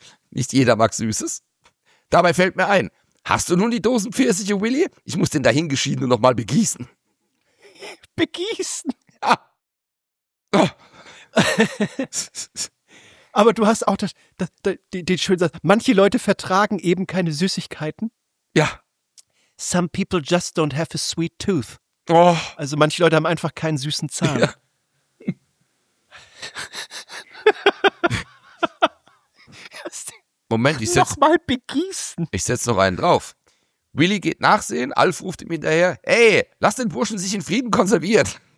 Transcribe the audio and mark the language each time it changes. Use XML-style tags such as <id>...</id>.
<de>Nicht jeder mag Süßes. Dabei fällt mir ein, hast du nun die Dosenpfirsiche, Willi? Ich muss den Dahingeschiedenen nochmal begießen. Begießen? Ja. Oh. Aber du hast auch den schönen Satz, manche Leute vertragen eben keine Süßigkeiten. Ja.</de> <en>Some people just don't have a sweet tooth. Oh.</en> <de>Also manche Leute haben einfach keinen süßen Zahn. Ja. Moment, ich setz... Nochmal begießen. Ich setz noch einen drauf. Willi geht nachsehen, Alf ruft ihm hinterher, hey, lass den Burschen sich in Frieden konservieren.</de>